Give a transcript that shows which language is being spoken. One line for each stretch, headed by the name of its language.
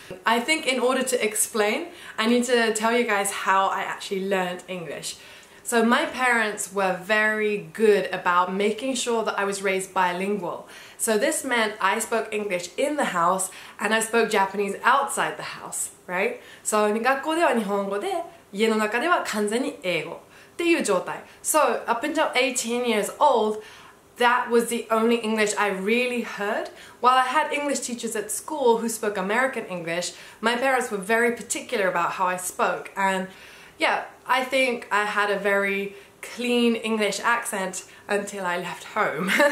English: I think in order to explain, I need to tell you guys how I actually learned English. So my parents were very good about making sure that I was raised bilingual. So this meant I spoke English in the house and I spoke Japanese outside the house, right?
Japanese: So 学校では日本語で、家の中では完全に英語。
English: So up until 18 years old, that was the only English I really heard. While I had English teachers at school who spoke American English, my parents were very particular about how I spoke. And yeah, I think I had a very clean English accent until I left home.